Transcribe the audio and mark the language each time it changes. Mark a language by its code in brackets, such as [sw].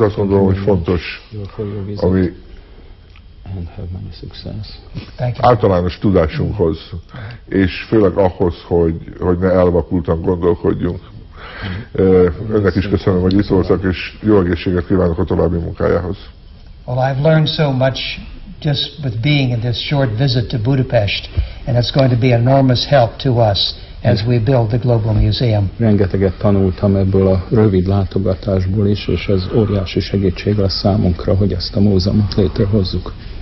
[hu] Azt gondolom, hogy fontos, ami [en] and have many success. Thank you. [hu] Általános tudásunkhoz, és főleg ahhoz, hogy ne elvakultan gondolkodjunk. Önnek is köszönöm, hogy itt voltak, és jó egészséget kívánok a további munkájához. [en] Well, I've learned so much just with being in this short visit to Budapest, and it's going to be enormous help to us as we build the Global Museum. [hu] Rengeteget tanultam ebből a rövid látogatásból is, és ez óriási segítség lesz számunkra, hogy ezt a múzeumot létrehozzuk.